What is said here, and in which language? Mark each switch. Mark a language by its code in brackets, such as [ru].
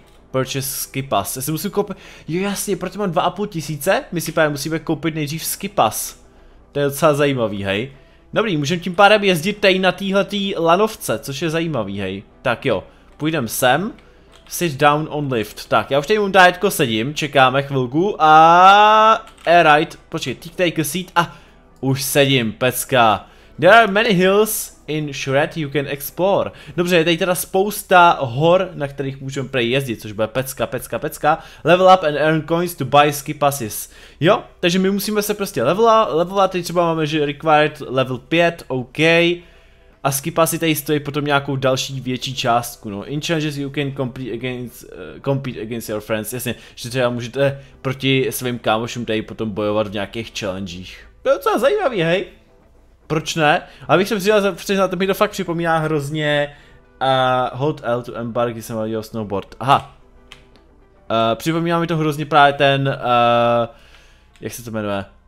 [en] Purchase ski pass. [cs] Já si musím koupit. Jo jasně, proto mám 2500? My si právě musíme koupit nejdřív ski pass. To je docela zajímavý, hej. Dobrý, můžem tím pádem jezdit tady na týhletý lanovce, což je zajímavý, hej. Tak jo, půjdem sem. [en] Sit down on lift. [cs] Tak, já už tady momentálně sedím, čekáme chvilku a... [en] Alright, [cs] počkej, [en] take, take a seat [cs] a... Už sedím, pecka. [en] There are many hills in Shred you can explore. [cs] Dobře, je tady teda spousta hor, na kterých můžeme prejezdit, což bude pecka, pecka, pecka. [en] Level up and earn coins to buy ski passes. [cs] Jo, takže my musíme se prostě levelovat, teď třeba máme, že required level 5, OK. A ski passy tady stojí potom nějakou další větší částku, no. [en] In challenges you can compete against your friends. [cs] Jasně, že třeba můžete proti svým kámošům tady potom bojovat v nějakých challengech. To je docela zajímavý, hej. Proč ne? A bych se přiznal, to mi to fakt připomíná hrozně. [en] Hold L to embark, [cs] když jsem měl snowboard. Aha. Připomíná mi to hrozně právě ten... jak se to jmenuje?